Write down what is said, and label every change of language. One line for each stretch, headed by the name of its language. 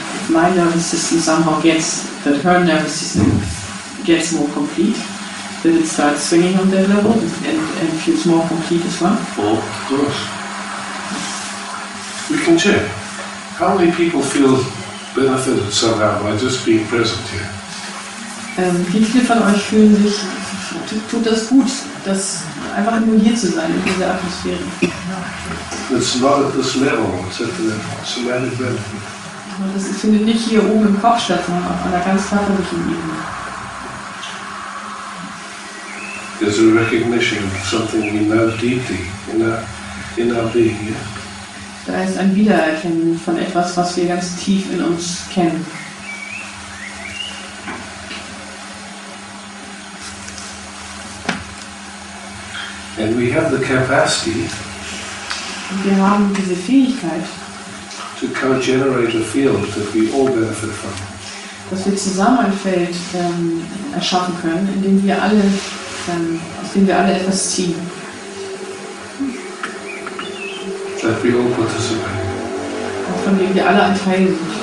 English: My nervous system somehow gets, that her nervous system gets more complete, that it starts swinging on that level and feels more complete as well. Well, of course. We can check. How many people feel benefited somehow by just being present here?
German: Wie viele von euch fühlen sich, tut das gut, das einfach nur hier zu sein, in dieser Atmosphäre?
English: It's not at this level, it's at the somatic level.
German: Das findet nicht hier oben im Kopf statt, sondern auf einer ganz körperlichen Ebene.
English: There's a recognition of something we know deeply in our being. Yeah?
German: Da ist ein Wiedererkennen von etwas, was wir ganz tief in uns kennen.
English: And we have the capacity.
German: Und wir haben diese Fähigkeit.
English: To co-generate a field that we all benefit from.
German: Dass wir zusammen ein Feld erschaffen können, in dem wir alle, aus dem wir alle etwas ziehen.
English: That we all participate.
German: Und von dem wir alle ein Teil sind.